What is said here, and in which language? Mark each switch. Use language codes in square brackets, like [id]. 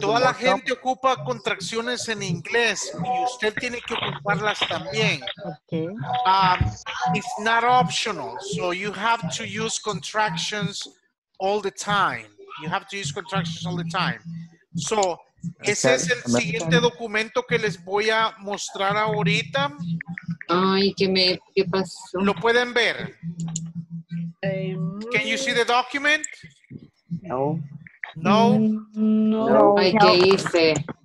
[es] Toda la gente ocupa contracciones en inglés y usted tiene que ocuparlas también. [en] Okay. It's not optional. So you have to use contractions all the time. You have to use contractions all the time. [es] So, ese es el siguiente documento que les voy a mostrar ahorita. Ay, ¿qué pasó? ¿Lo pueden ver? [en] Can you see the document? [es] No. Ay, ¿qué hice?